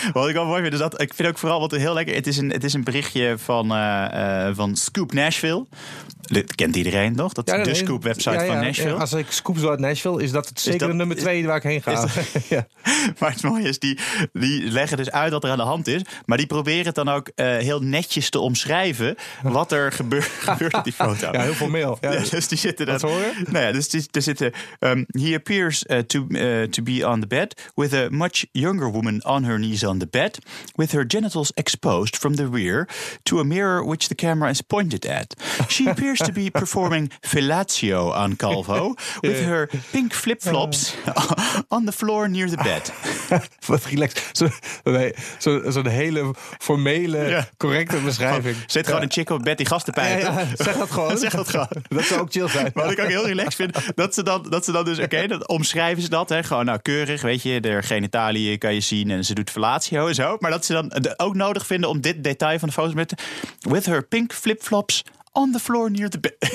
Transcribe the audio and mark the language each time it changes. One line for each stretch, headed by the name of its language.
Dutch: Wat ik wel mooi vind, is dat ik vind ook vooral wat heel lekker. Het is een berichtje van Scoop Nashville. Dit kent iedereen nog. Dat is de Scoop website van Nashville. Ja, als ik Scoop Beautiful at Nashville, is dat zeker de nummer twee waar ik heen ga. Dat, ja. Maar het mooie is, die leggen dus uit wat er aan de hand is. Maar die proberen het dan ook heel netjes te omschrijven wat er gebeurt op die foto. Ja, heel veel mail. Ja, dus die zitten dan, wat horen? Nou ja, dus die zitten...
English: he appears to be on the bed with a much younger woman on her knees on the bed, with her genitals exposed from the rear to a mirror which the camera is pointed at. She appears to be performing fellatio on Calvo with her pink flip-flops on the floor near the bed.
Dutch: Wat relaxed. Zo'n hele formele, correcte beschrijving. Zit gewoon een chick op bed die gasten pijpen. Zeg dat gewoon. Zeg dat gewoon. Dat zou ook chill zijn. Wat ik ook heel relaxed vind, dat ze dan dus, dat omschrijven ze dat. Hè, gewoon nou, keurig, weet je, de genitaliën kan je zien en ze doet fellatio en zo. Maar dat ze dan ook nodig vinden om dit detail van de foto's met...
English: with her pink flip-flops on the floor near the bed.